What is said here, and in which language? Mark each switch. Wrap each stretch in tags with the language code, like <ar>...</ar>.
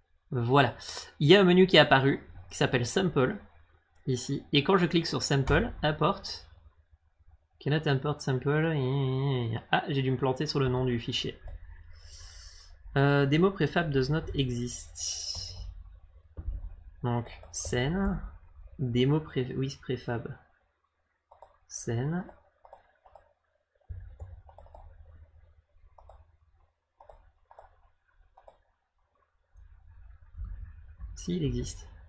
<fr>Voilà, il y a un menu qui est apparu, qui s'appelle Sample, ici, et quand je clique sur Sample, Import, Cannot Import Sample, ah, j'ai dû me planter sur le nom du fichier.</fr> <en>Demo prefab does not exist.</en> <fr>Donc, scène, demo with prefab, scène. Si, il existe.</fr>